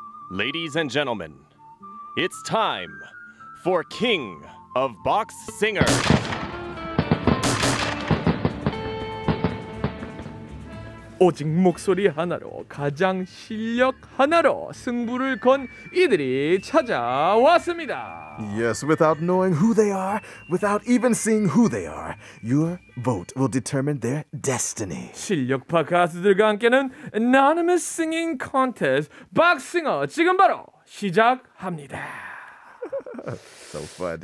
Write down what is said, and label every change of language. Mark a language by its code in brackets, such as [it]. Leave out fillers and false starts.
[en] Ladies and gentlemen, it's time for King of Box Singer. [ko] Ojing 목소리 하나로 가장 실력 하나로 승부를 건 이들이 찾아왔습니다. [en] Yes, without knowing who they are, without even seeing who they are, your vote will determine their destiny. [ko] 실력파 가수들과 함께는 Anonymous Singing Contest, Box Singer 지금 바로 시작합니다. [en] So fun.